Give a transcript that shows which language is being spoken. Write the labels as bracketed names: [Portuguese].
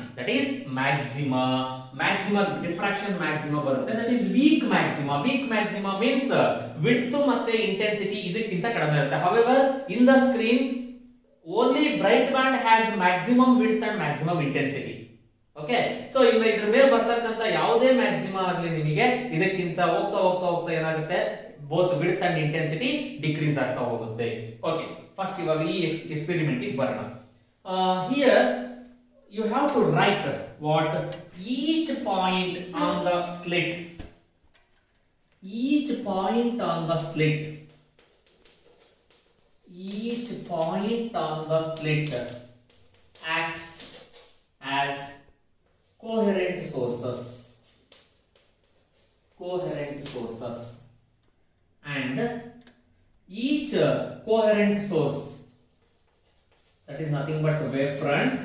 [English] That is maxima. Maxima diffraction maxima barutte. That is weak maxima. Weak maxima means [Kannada] width matte intensity idikinta kadame irutte. [English] However, in the screen only bright band has maximum width and maximum intensity. [Kannada] Okay, so so ಇದ್ರ ಮೇಲೆ ಬರ್ತಕ್ಕಂತ ಯಾವುದೇ maxima ಆಗಲಿ ನಿಮಗೆ ಇದಕ್ಕಿಂತ ಹೋಗ್ತಾ ಹೋಗ್ತಾ ಹೋಗ್ತಾ ಏನಾಗುತ್ತೆ [English] both width and intensity [Kannada] decrease ಆಗ್ತಾ ಹೋಗುತ್ತೆ. ಓಕೆ, ಫಸ್ಟ್ ಇವಾಗ ಈ ಎಕ್ಸ್ಪೆರಿಮೆಂಟ್ ಗೆ ಬರೋಣ. [English] Here you have to write what each point on the slit. Each point on the slit, each point on the slit acts as coherent sources, coherent sources, and each coherent source that is nothing but wave front.